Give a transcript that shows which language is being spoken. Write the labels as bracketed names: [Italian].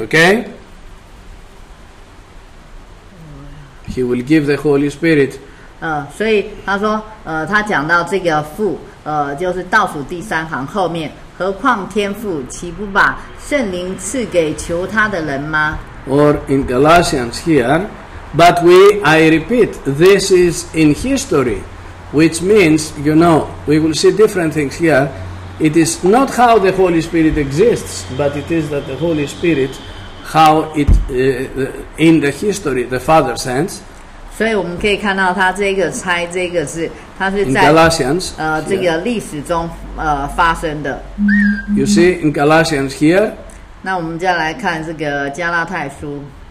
[English] Okay, he will give the Holy Spirit. [Chinese] 所以他说，他讲到这个父，就是倒数第三行后面，何况天父岂不把圣灵赐给求他的人吗 [English] ？Or in Galatians here. But we, I repeat, this is in history, which means, you know, we will see different things here. It is not how the Holy Spirit exists, but it is that the Holy Spirit, how it, in the history, the Father sends. [Chinese] 所以我们可以看到他这个猜这个是他是在 [English] Galatians, [Chinese] 这个历史中发生的。 [English] You see in Galatians here. [Chinese] 那我们再来看这个加拉太书。